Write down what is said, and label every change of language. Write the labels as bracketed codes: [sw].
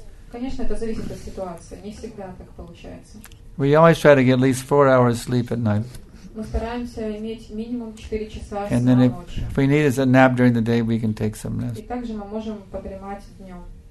[ru] Конечно, это зависит от ситуации. Не всегда так получается. [en] We always try to get at least 4 hours sleep at night. [ru] Мы стараемся иметь минимум 4 часа сна. [en] And then if we need a nap during the day, we can take some rest. [ru] И также мы можем подремать днем.